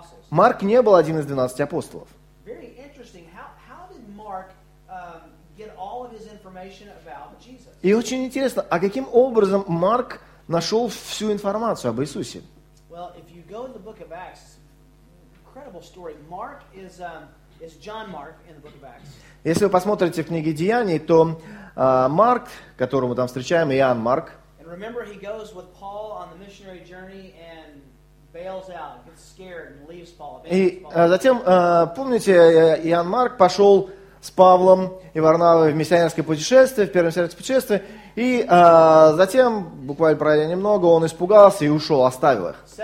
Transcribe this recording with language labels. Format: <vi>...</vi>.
<ru>Марк не был один из 12 апостолов. И очень интересно, а каким образом Марк нашел всю информацию об Иисусе?</ru> <en>Well, go in the book of Acts, incredible story. Mark is is John Mark in the book of Acts.</en> <ru>Если вы посмотрите в книге Деяний, то Марк, которого мы там встречаем, Иоанн Марк.</ru> <en>And remember, he goes with Paul on the missionary journey and bails out, gets scared and leaves Paul.</en> <ru>И затем помните, Иоанн Марк пошел с Павлом и Варнавой в миссионерское путешествие, в первое миссионерское путешествие, и затем, буквально пройдя немного, он испугался и ушел, оставил их.</ru>